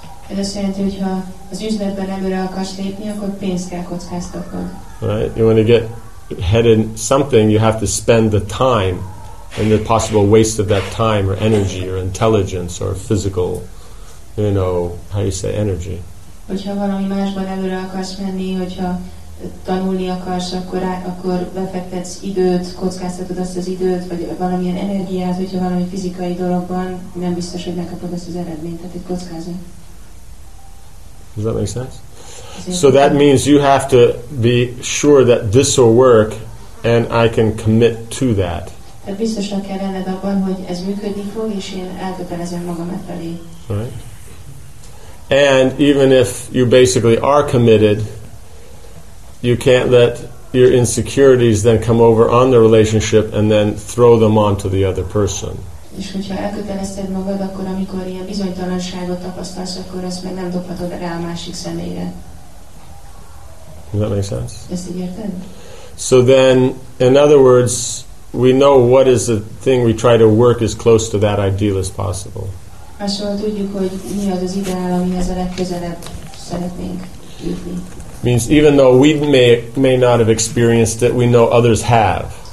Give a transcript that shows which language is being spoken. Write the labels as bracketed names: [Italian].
[Hungarian] Ez azt jelenti, hogyha az üzletben előre akarsz lépni, akkor pénzt kell kockáztatnod. [English] Right? You want to get ahead in something, you have to spend the time and the possible waste of that time or energy or intelligence or physical, you know, how you say, energy. [Hungarian] Hogyha valami másban előre akarsz menni, hogyha tanulni akarsz, akkor befektetsz időt, kockáztatod azt az időt, vagy valamilyen energiát, hogyha valami fizikai dologban nem biztos, hogy megkapod azt az eredményt, tehát egy kockázat. [English] Does that make sense? So that means you have to be sure that this will work and I can commit to that. [Hungarian] Tehát biztosan kell lenned abban, hogy ez működni fog, és én elkötelezem magam felé. [English] Right. And even if you basically are committed, you can't let your insecurities then come over on the relationship and then throw them on to the other person. [Hungarian] És hogyha elkötelezted magad, akkor amikor ilyen bizonytalanságot tapasztalsz, akkor ezt meg nem dobhatod rá a másik személyre. [English] Does that make sense? [Hungarian] Ezt így érted? [English] So then, in other words, we know what is the thing we try to work as close to that ideal as possible. [Hungarian] Másról tudjuk, hogy mi az az ideál, amihez a legközelebb szeretnénk jutni. [English] Means even though we may not have experienced it, we know others have.